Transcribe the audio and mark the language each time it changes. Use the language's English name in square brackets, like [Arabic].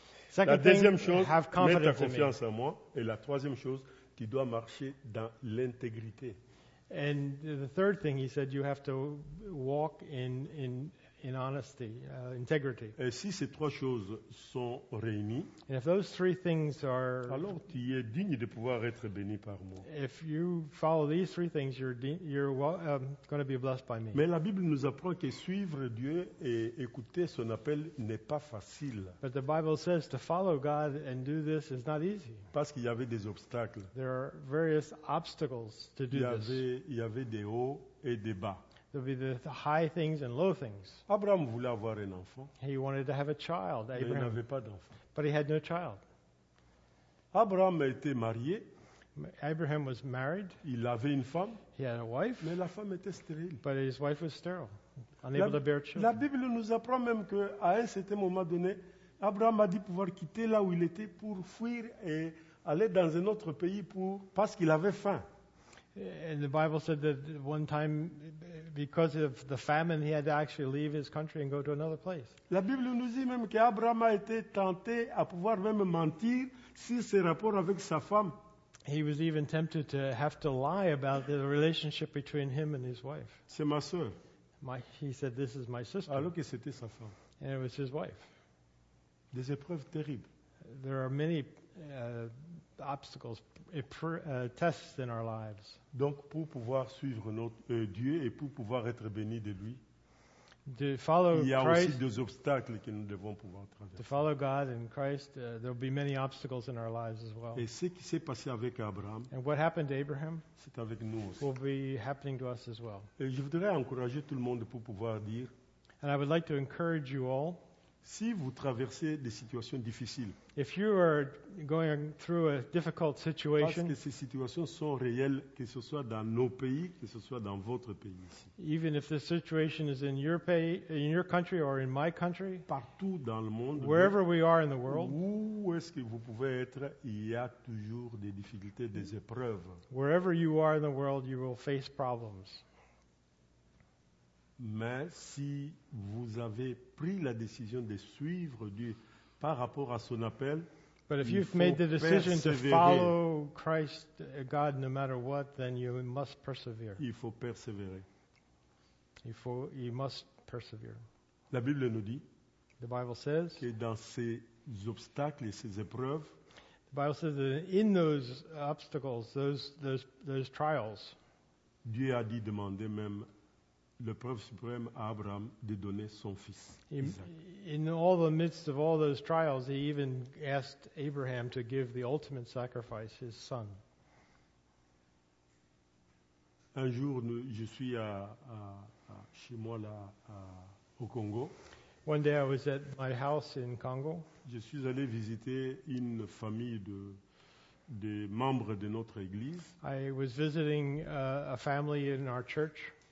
[English] Second [French] la deuxième chose, [English] have confidence [French] mets ta confiance en moi. Et la troisième chose, tu dois marcher dans l'intégrité. [English] And the third thing he said, you have to walk in honesty, integrity. [French] Et si ces trois choses sont réunies, [English] and if those three things are, [French] alors tu es digne de pouvoir être béni par moi. [English] If you follow these three things, you're going to be blessed by me. [French] Mais la Bible nous apprend que suivre Dieu et écouter son appel n'est pas facile. [English] But the Bible says to follow God and do this is not easy. [French] Parce qu'il y avait des obstacles. [English] There are various obstacles to do this. [French] Il y avait des hauts et des bas. [English] There'll be the high things and low things. [French] Abraham voulait avoir un enfant. [English] He wanted to have a child, Abraham. [French] Mais il n'avait pas d'enfant. [English] But he had no child. [French] Abraham a été marié. [English] Abraham was married. [French] Il avait une femme. [English] He had a wife. [French] Mais la femme était stérile. [English] But his wife was sterile, unable to bear children. [French] La Bible nous apprend même qu'à un certain moment donné, Abraham a dit pouvoir quitter là où il était pour fuir et aller dans un autre pays parce qu'il avait faim. [English] And the Bible said that one time, because of the famine, he had to actually leave his country and go to another place. [French] La Bible nous dit même qu'Abraham a été tenté à pouvoir même mentir sur ses rapports avec sa femme. [English] He was even tempted to have to lie about the relationship between him and his wife. [French] C'est ma sœur. [English] He said, this is my sister. [French] Alors que c'était sa femme. [English] And it was his wife. [French] Des épreuves terribles. [English] There are many obstacles, tests in our lives. [French] Donc, pour pouvoir suivre notre Dieu et pour pouvoir être béni de lui, [English] to follow [French] il y a [English] Christ, [French] aussi des obstacles que nous devons pouvoir traverser. [English] To follow God and Christ, there will be many obstacles in our lives as well. [French] Et ce qui s'est passé avec Abraham, [English] and what happened to Abraham, [French] c'est avec nous aussi. [English] Will be happening to us as well. [French] Et je voudrais encourager tout le monde pour pouvoir dire. [English] And I would like to encourage you all. [French] Si vous traversez des situations difficiles, [English] if you are going through a difficult situation, [French] parce que ces situations sont réelles, que ce soit dans nos pays, que ce soit dans votre pays ici, [English] even if the situation is in your pay, in your country or in my country, [French] partout dans le monde, [English] wherever we are in the world, [French] où est-ce que vous pouvez être, il y a toujours des difficultés, des épreuves. [English] Wherever you are in the world, you will face problems. [French] Mais si vous avez pris la décision de suivre Dieu par rapport à son appel, [English] but if [French] il [English] you've [French] faut [English] made the decision [French] persévérer. [English] To follow Christ, God, no matter what, then you must persevere. [French] Il faut persévérer. [English] You must persevere. [French] La Bible nous dit [English] the Bible says, [French] que dans ces obstacles et ces épreuves, [English] the Bible says that in those obstacles, those trials, [French] Dieu a dit demander même le preuve suprême à Abraham de donner son fils, Isaac. [English] In all the midst of all those trials, he even asked Abraham to give the ultimate sacrifice, his son. [French] Un jour, je suis chez moi là, au Congo. [English] One day I was at my house in Congo. [French] Je suis allé visiter une famille de membres de notre église. [English] I was visiting a family in our church.